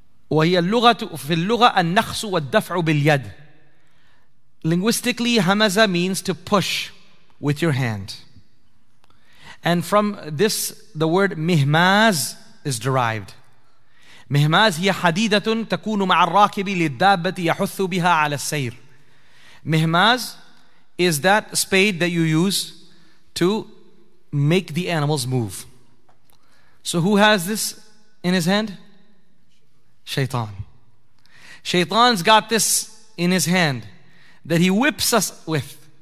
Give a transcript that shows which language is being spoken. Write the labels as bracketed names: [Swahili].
[Arabic] وَهِيَ اللُّغَةُ فِي اللُّغَةَ النَّخْسُ وَالدَّفْعُ بِالْيَدِ. [English] Linguistically, hamaza means to push with your hand. And from this, the word mihmaz is derived. [Arabic] مهماز هي حديدة تكون مع الراكب للدابة يحث بها على السير. [English] مهماز is that spade that you use to make the animals move. So who has this in his hand? Shaitan. Shaitan's got this in his hand that he whips us with.